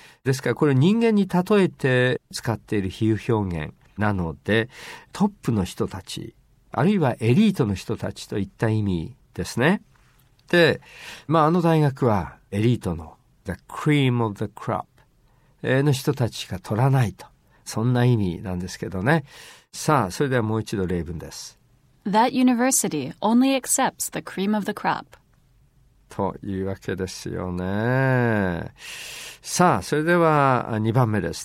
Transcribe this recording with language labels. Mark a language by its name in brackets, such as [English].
[Japanese] ですからこれ人間に例えて使っている比喩表現なので、トップの人たち、あるいはエリートの人たちといった意味ですね。で、まあ、あの大学はエリートの [English] The cream of the crop [Japanese] の人たちしか取らないと、そんな意味なんですけどね。さあ、それではもう一度例文です。 [English] That university only accepts the cream of the crop. [Japanese] というわけですよね。さあ、それでは2番目です。